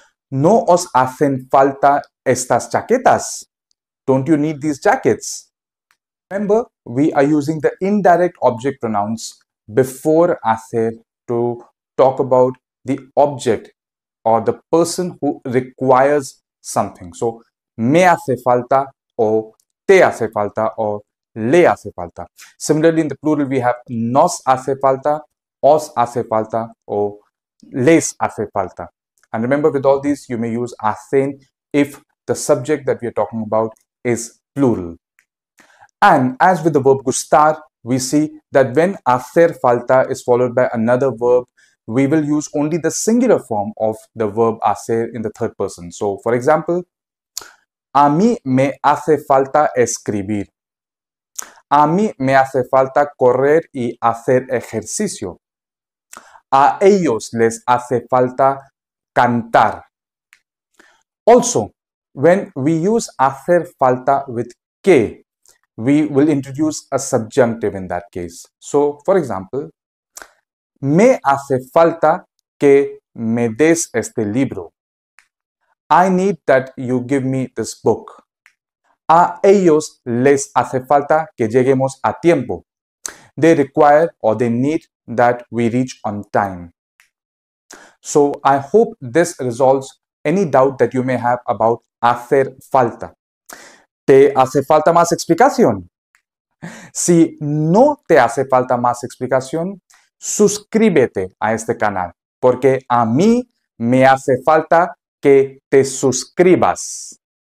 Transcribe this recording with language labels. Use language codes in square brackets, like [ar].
[es] No os hacen falta estas chaquetas. [en] Don't you need these jackets? Remember, we are using the indirect object pronouns before hacer to talk about the object or the person who requires something. [es] So, me hace falta, or te hace falta, or le hace falta. [en] Similarly, in the plural, we have [es] nos hace falta, os hace falta, or les hace falta. [en] And remember, with all these, you may use hacen if the subject that we are talking about is plural. And as with the verb gustar, we see that when hacer falta is followed by another verb, we will use only the singular form of the verb hacer in the third person. So, for example, [es] a mí me hace falta escribir. A mí me hace falta correr y hacer ejercicio. A ellos les hace falta cantar. [en] Also, when we use hacer falta with que, we will introduce a subjunctive in that case. So, for example, [es] me hace falta que me des este libro. [en] I need that you give me this book. [es] A ellos les hace falta que lleguemos a tiempo. [en] They require or they need that we reach on time. So I hope this resolves any doubt that you may have about hacer falta. [es] ¿Te hace falta más explicación? Si no te hace falta más explicación, suscríbete a este canal, porque a mí me hace falta que te suscribas.